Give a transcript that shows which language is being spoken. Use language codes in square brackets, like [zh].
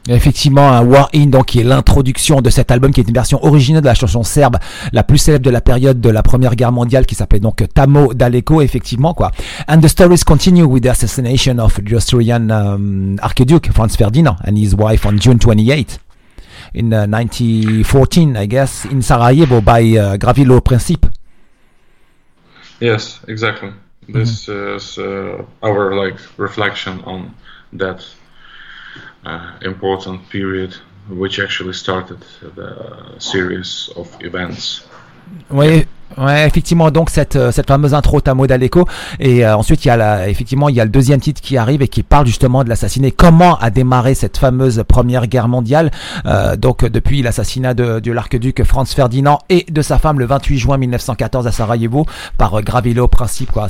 [fr] Effectivement, un War In, donc, qui est l'introduction de cet album, qui est une version originale de la chanson serbe la plus célèbre de la période de la Première Guerre mondiale, qui s'appelait donc Tamo Daleko, effectivement, quoi. [en] And the stories continue with the assassination of the Austrian Archduke Franz Ferdinand and his wife on June 28th. In 1914, I guess, in Sarajevo by Gavrilo Princip. Yes, exactly. This is our like reflection on that important period, which actually started the series of events. [fr] Oui. Ouais, effectivement, donc cette fameuse intro Tamo Dall'Echo, et ensuite effectivement il y a le deuxième titre qui arrive et qui parle justement de l'assassiné, comment a démarré cette fameuse première guerre mondiale, donc depuis l'assassinat de l'archiduc Franz Ferdinand et de sa femme le 28 juin 1914 à Sarajevo par Gravilo Princip, quoi.